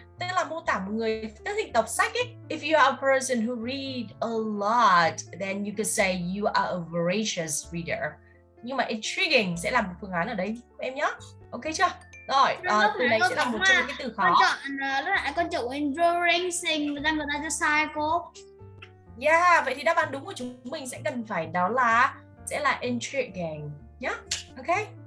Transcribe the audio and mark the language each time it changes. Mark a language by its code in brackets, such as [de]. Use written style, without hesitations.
[vi] Tức là mô tả một người thích thì đọc sách ấy. [en] If you are a person who read a lot, then you could say you are a voracious reader. [vi] Nhưng mà intriguing sẽ là một phương án ở đấy, em nhé. Ok chưa? Rồi, từ đây sẽ là một trong những cái từ khó. Con chọn là con chọn enduring sing và đang người ta cho cycle. Yeah, vậy thì đáp án đúng của chúng mình sẽ cần phải đó là sẽ là intriguing nhá. Yeah. Ok.